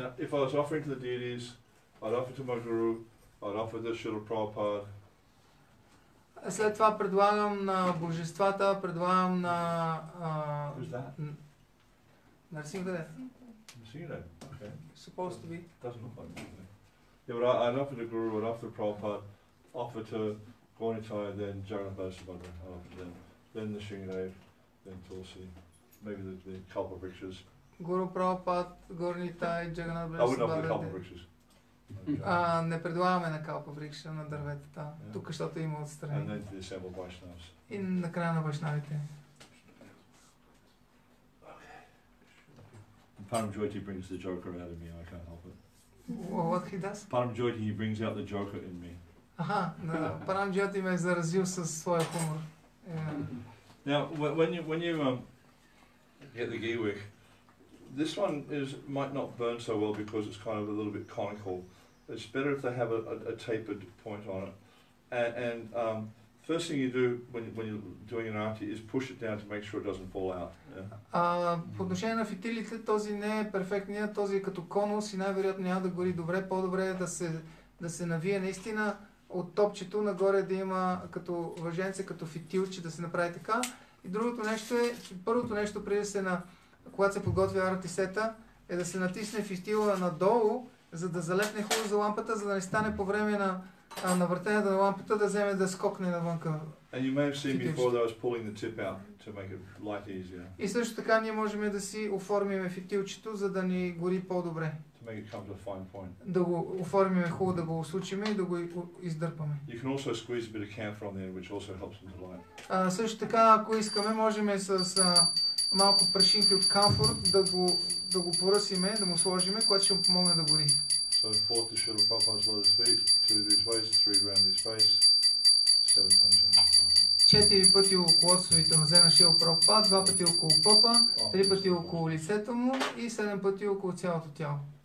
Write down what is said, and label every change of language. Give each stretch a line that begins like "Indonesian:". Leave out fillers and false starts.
English: Now, if I was offering to the deities, I'd offer to my guru, I'd offer this Srila Prabhupada.
Bulgarian: След това предлагам на божествата, предлагам на...
English: Who's that?
Bulgarian: Нарсингхадев.
English: Okay. Supposed to be. Doesn't look like it. Yeah, but I'd offer to Guru, I'd offer to Prabhupada, offer to Gaunitaya, then Jagannath Bhasabhadra, I'd offer to them. Then the Srinadev, then Tulsi, maybe the Kalpa Vrikshas. Guru Prabhupada, Gaunitaya, Jagannath Bhasabhadra. I wouldn't offer the Kalpa Vrikshas.
Bulgarian: Не предлагаме на калпа врикша на дърветата, yeah. Тук, защото има отстрани. И на края на башнавите.
English: Парамджойти brings the joker out of me, I can't help it. What he does? Парамджойти, he brings out the joker in me.
Bulgarian: Аха, да, Парамджойти ме е заразил със своя хумор.
English: Yeah. Now, when you get the гивик, this one is might not burn so well because it's kind of a little bit conical. It's better if they have a tapered point on it. And first thing you do when you're doing an arti is push it down to make sure it doesn't fall out.
Bulgarian: По отношение на фитилите, този не е перфектният, този е като конус и най-вероятно няма да гори добре, по-добре е да се навие наистина от топчето нагоре да има като въженце, като фитилче, да се направи така. И другото нещо е, първото нещо преди да се на когато се подготвя арти сета, е да се натисне фитила надолу, за да залепне хубаво за лампата, за да не стане по време на навъртение на лампата да вземе да скокне навънка.
English: And you may have seen before that I was pulling the tip out to make it light easier.
Bulgarian: И също така ние можем да си оформим фитилчето, за да ни гори по-добре.
English: To make it come to a fine point.
Bulgarian: Да го оформим хубаво, да го усучим и да го издърпаме.
English: You can also squeeze a bit of camphor on there, which also helps them to light.
Bulgarian: Също така, ако искаме, можем с малко прашинки от камфор да го, да го поръсиме, да му сложиме, което ще му помогне да гори.
English: So fourth is Srila Prabhupada's lotus feet, two to his waist, three around his face, seven times around his body.
Bulgarian: Четири пъти около лотосовите нозе на Шрила Прабхупада, два пъти около пъпа, три пъти около лицето му и седем пъти около цялото тяло.